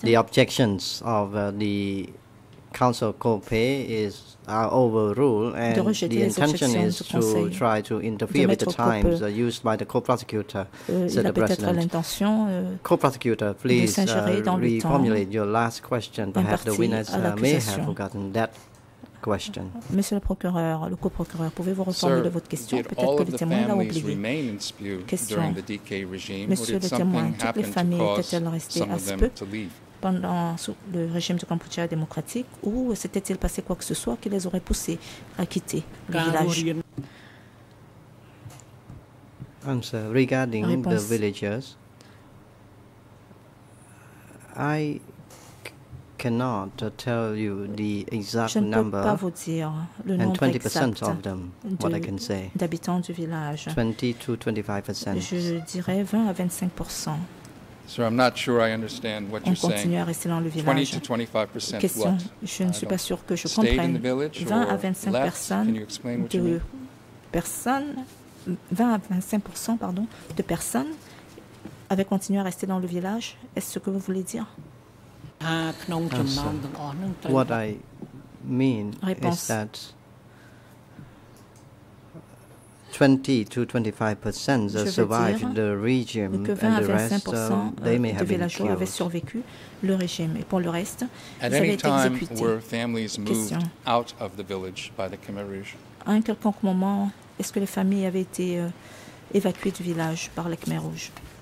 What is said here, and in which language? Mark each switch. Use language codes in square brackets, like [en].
[en] The objections of the Council Copé is overruled, and the intention is to try to interfere with the times used by the co-prosecutor, said the President. Co-prosecutor, please reformulate your last question. Perhaps the witness may have forgotten that question. [fr] Monsieur le procureur, le co-procureur, pouvez-vous reformuler de votre question? Peut-être que le témoin l'a oublié. Question. Monsieur le témoin, toutes les familles étaient-elles restées à Spu pendant le régime du Kampuchea démocratique, ou s'était-il passé quoi que ce soit qui les aurait poussés à quitter le village? [en] answer regarding the villagers. I cannot tell you the exact number. [fr] Je ne peux pas vous dire le nombre [en] and 20% of them, what I can say. [fr] D'habitants du village. [en] 20 to 25%. [fr] Je dirais 20 à 25%. [en] Sir, I'm not sure I understand what you're saying. [fr] On continue à rester dans le village. [en] 20 to 25%. [fr] Question. [en] What? [fr] Je ne suis pas sûr que je comprenne. 20 à 25% de personnes avaient continué à rester dans le village. Est-ce ce que vous voulez dire? [en] What I mean is that 20 to 25% have survived the regime and the rest, they may have been killed. [fr] Avaient survécu le régime et pour le reste, [en] at any time [fr] exécutés. [en] Were families moved out of the village by the Khmer Rouge? [fr] À un quelconque moment, est-ce que les familles avaient été évacuées du village par la Khmer Rouge?